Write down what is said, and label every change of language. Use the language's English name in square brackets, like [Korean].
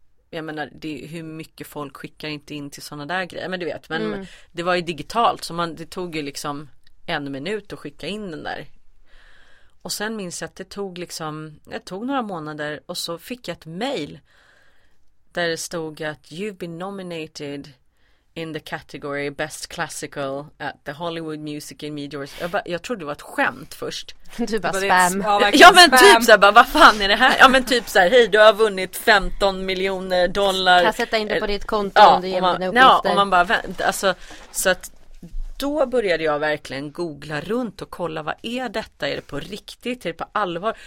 [Swedish] Jag menar, det är hur mycket folk skickar inte in till såna där grejer, men du vet. Men det var ju digitalt, så det tog ju liksom en minut att skicka in den där. Och sen minns jag att det tog några månader och så fick jag ett mejl där det stod att [English] you've been nominated in the category best classical at the Hollywood Music and Media Awards. [Swedish] Jag trodde det var ett skämt först. Du bara spam. Ja, men typ så här, bara, vad fan är det här? Ja, men typ så här, hej, du har vunnit 15 miljoner dollar. Kan sätta in det på ditt konto, ja, om du ger mig dina uppgifter. Ja, och man bara, alltså, så att då började jag verkligen googla runt och kolla, vad är detta? Är det på riktigt? Är det på allvar?